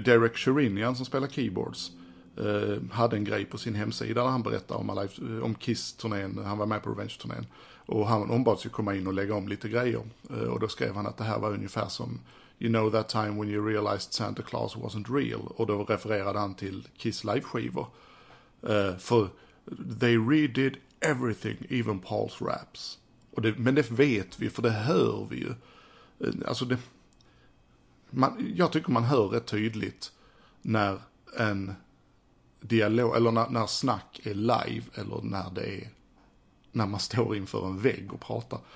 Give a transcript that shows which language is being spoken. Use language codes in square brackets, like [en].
[sv] Derek Sherinian som spelar keyboards hade en grej på sin hemsida där han berättade om, Alive, om Kiss-turnén, han var med på Revenge-turnén. Och han ombads ju komma in och lägga om lite grejer. Och då skrev han att det här var ungefär som [en] "You know that time when you realized Santa Claus wasn't real." [sv] Och då refererade han till Kiss live-skivor. För [en] they redid everything, even Paul's raps. [sv] Och det, men det vet vi, för det hör vi ju. Alltså det, man, jag tycker man hör rätt tydligt när en dialog, eller när snack är live, eller när det är när man står inför en vägg och pratar.